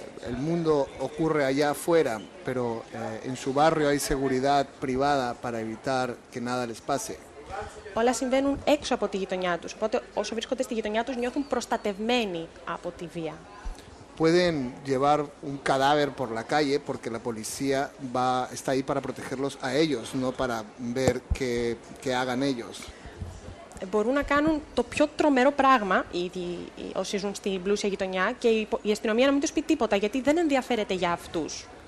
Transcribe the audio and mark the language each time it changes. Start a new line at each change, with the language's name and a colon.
Spanish: El mundo ocurre allá afuera, pero en su barrio hay seguridad privada para evitar que nada les pase.
Greek: Όλα συμβαίνουν έξω από τη γειτονιά τους. Οπότε όσο βρίσκονται στη γειτονιά τους νιώθουν προστατευμένοι από τη βία.
Spanish: Pueden llevar un cadáver por la calle porque la policía está ahí para protegerlos a ellos, no para ver qué hagan ellos.
Greek: Μπορούν να κάνουν το πιο τρομερό πράγμα ήδη όσοι ζουν στην πλούσια γειτονιά και η αστυνομία να μην τους πει τίποτα γιατί δεν ενδιαφέρεται για αυτούς.